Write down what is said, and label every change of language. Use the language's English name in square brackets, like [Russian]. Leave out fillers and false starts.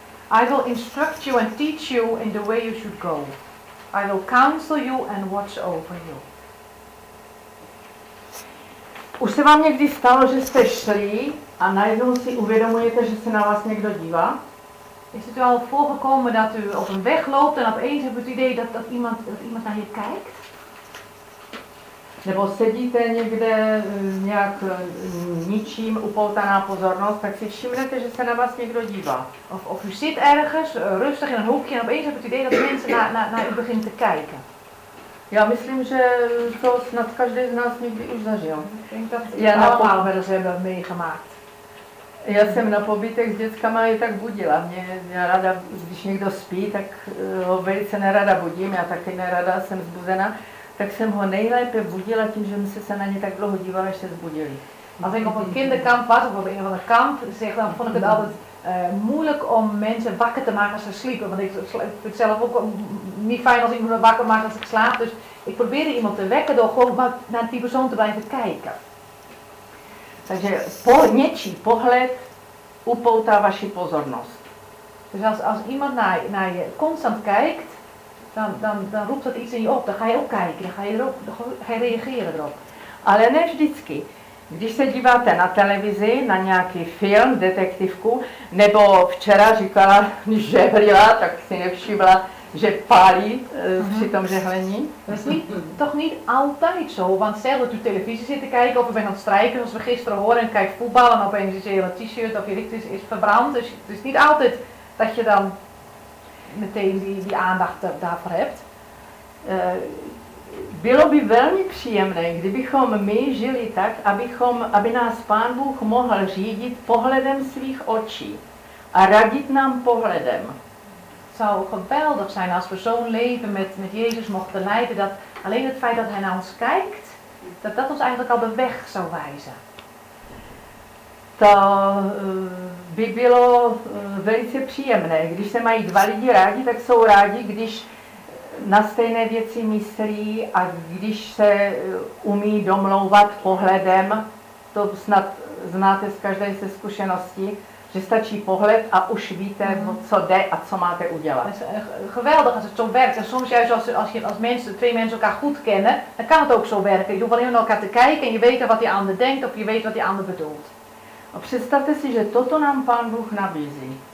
[English] I will instruct you and teach you in the way you should go. I will counsel you and watch over you. [Czech] Už se vám někdy stalo, že jste šli a najednou si uvědomujete, že se na vás někdo dívá? [Dutch] Is het u al voorgekomen dat u op een weg loopt en opeens hebt u het idee dat iemand naar je kijkt? [Czech] Nebo sedíte někde nějak ničím upoutaná pozornost, tak si všimnete, že se na vás někdo dívá. [Dutch] Of u zit ergens, rustig in een hoekje, en opeens heb het idee dat mensen naar u beginnen te kijken. [Czech] Já myslím, že to snad každý z nás někdy už zažil. [Dutch] Ik denk dat we dat allemaal wel eens hebben meegemaakt. [Czech] Já jsem na pobytech s dětskama je tak budila. Mě, já ráda, když někdo spí, tak ho velice nerada budím, já taky nerada jsem zbuzena. Tak jsem ho nejlépe budila tím, že jsem se na ně tak dlouho dívala, až se zbudili. [Dutch] A ten kinderkamp was, of een van de kamp, zeg dan, vond ik het altijd moeilijk om mensen wakker te maken als ze sliepen. Want ik vind het zelf ook niet fijn als iemand me wakker maakt als ik slaap. Dus ik probeerde iemand te wekken door gewoon maar naar die persoon te blijven kijken. [Czech] Takže něčí pohled upoutá vaši pozornost. [Dutch] Dus als iemand naar je constant kijkt, dan roept dat iets in je op. Dan ga je ook kijken, dan ga je reageren erop. [Czech] Ale ne vždycky. Když se díváte na televizi, na nějaký film, detektivku, nebo včera říkala, že hrila, tak si nevšimla, že pálí při tom žehlení. [Dutch] Toch niet altijd zo, want stel dat u televisie zit te kijken, of u bent aan het strijken, zoals we gisteren horen, en kijkt voetbal, en opeens is je hele t-shirt of je licht is verbrand. Dus het is niet altijd dat je dan meteen die aandacht daarvoor hebt. [Czech] Bylo by velmi příjemné, kdybychom my žili tak, aby nás Pán Bůh mohl řídit pohledem svých očí a radit nám pohledem. [Dutch] Zou geweldig zijn als we zo'n leven met Jezus mochten leiden, dat alleen het feit dat hij naar ons kijkt, dat ons eigenlijk al de weg zou wijzen. [Czech] To by bylo velice příjemné. Když se mají dva lidi rádi, tak jsou rádi, když na stejné věci myslí a když se umí domlouvat pohledem, to snad znáte z každé se zkušenosti, že stačí pohled a už víte, co jde a co máte udělat. [Dutch] Geweldig als het zo werkt. En soms juist als mensen, twee mensen elkaar goed kennen, dan kan het ook zo werken. Je hoeft alleen naar elkaar te kijken en je weet wat die ander denkt of je weet wat die ander bedoelt. [Czech] A představte si, že toto nám Pán Bůh nabízí.